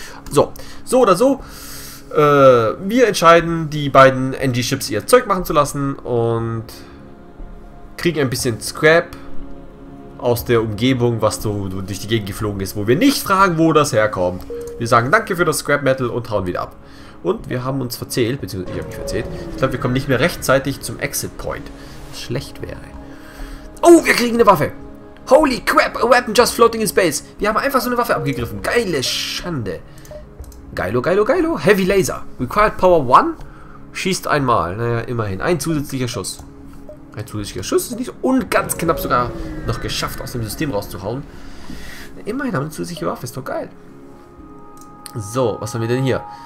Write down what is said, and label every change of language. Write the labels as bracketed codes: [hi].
[de] So, so oder so, wir entscheiden, die beiden NG-Ships ihr Zeug machen zu lassen und kriegen ein bisschen Scrap aus der Umgebung, was so durch die Gegend geflogen ist, wo wir nicht fragen, wo das herkommt. Wir sagen danke für das Scrap Metal und hauen wieder ab. Und wir haben uns verzählt, beziehungsweise ich habe mich verzählt. Ich glaube, wir kommen nicht mehr rechtzeitig zum Exit Point. Was schlecht wäre. Oh, wir kriegen eine Waffe. [en] Holy crap, a weapon just floating in space. [de] Wir haben einfach so eine Waffe abgegriffen. Geile Schande. Geilo, geilo, geilo. Heavy Laser. Required Power 1. Schießt einmal. Naja, immerhin. Ein zusätzlicher Schuss. Ein zusätzlicher Schuss ist nicht so, und ganz knapp sogar noch geschafft, aus dem System rauszuhauen. Immerhin haben wir eine zusätzliche Waffe, ist doch geil. So, was haben wir denn hier?